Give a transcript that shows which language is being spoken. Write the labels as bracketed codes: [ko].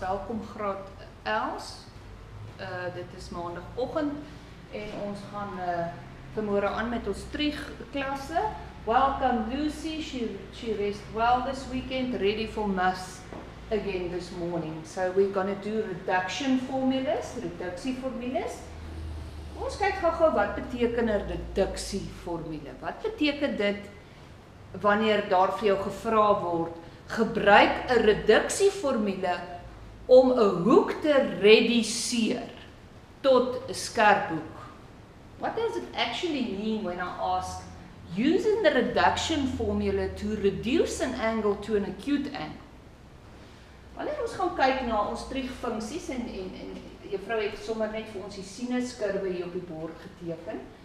[af] Welkom graad 11s. Dit is maandagoggend en ons gaan vanmôre aan met ons Trig klasse. [en] Welcome Lucy. She rest well this weekend, ready for mass again this morning. So we're going to do reduksieformules. [af] Ons kyk gou-gou wat beteken 'n reduksieformule. Wat beteken dit? Wanneer daar vir jou gevra word, gebruik 'n reduksieformule om 'n hoek te reduseer tot 'n skerp hoek. [en] What does it actually mean when I ask using the reduction formula to reduce an angle to an acute angle? [af] Wanneer ons gaan kyk na ons trigfunksies en juffrou het sommer net vir ons die sinuskurwe hier op die bord geteken.